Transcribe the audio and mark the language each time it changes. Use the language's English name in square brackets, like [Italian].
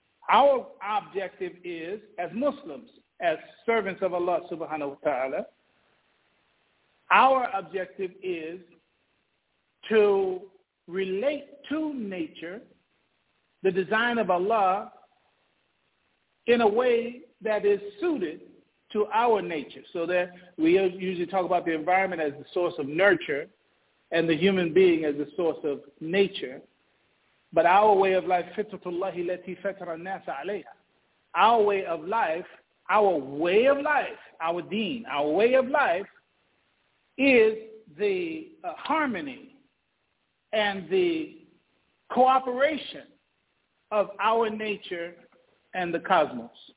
[English] Our objective is, as Muslims, as servants of Allah subhanahu wa ta'ala, our objective is to relate to nature, the design of Allah, in a way that is suited to our nature. So that we usually talk about the environment as the source of nurture, and the human being as the source of nature. But our way of life, [Arabic] فِطْرَةُ اللَّهِ الَّتِي فَتَرَ النَّاسَ عَلَيْهَا. [English] Our way of life, our way of life, our deen, our way of life is the harmony and the cooperation of our nature and the cosmos.